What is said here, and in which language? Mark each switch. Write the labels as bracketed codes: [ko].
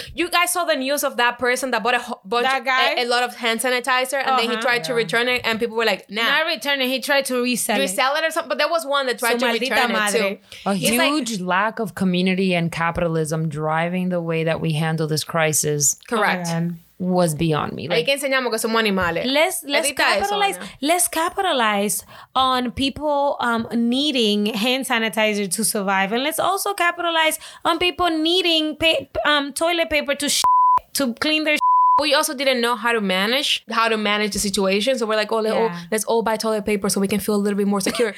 [en] You guys saw the news of that person that bought a lot of hand sanitizer and then he tried to return it and people were like, nah. Not return it. He tried to resell it or something. But there was one that tried to return it too. A huge lack of community and capitalism driving the way that we handle this crisis. Correct. Again. Was beyond me. [es] Like, enseñamos que somos animales. [en] Let's capitalize on people needing hand sanitizer to survive, and let's also capitalize on people needing toilet paper to clean their. We also didn't know how to manage the situation, so we're like, let's all buy toilet paper so we can feel a little bit more secure.